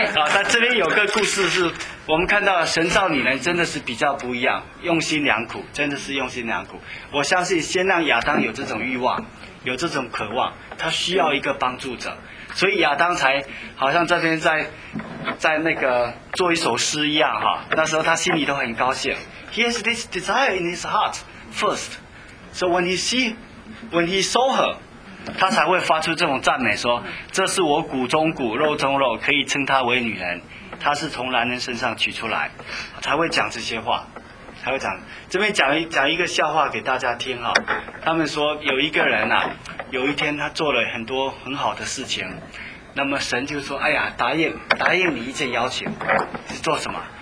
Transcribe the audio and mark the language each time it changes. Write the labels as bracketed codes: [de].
[zh] 好，但这边有个故事，是我们看到神造女人真的是比较不一样，用心良苦，真的是用心良苦。我相信先让亚当有这种欲望，有这种渴望，他需要一个帮助者，所以亚当才好像这边在那个做一首诗一样哈。那时候他心里都很高兴。 [en] He has this desire in his heart first, so when he saw her. [zh] 他才会发出这种赞美，说这是我骨中骨肉中肉，可以称她为女人，她是从男人身上取出来，才会讲这些话，才会讲。这边讲一个笑话给大家听哈。他们说有一个人啊，有一天他做了很多很好的事情，那么神就说，哎呀，答应你一件邀请，是做什么？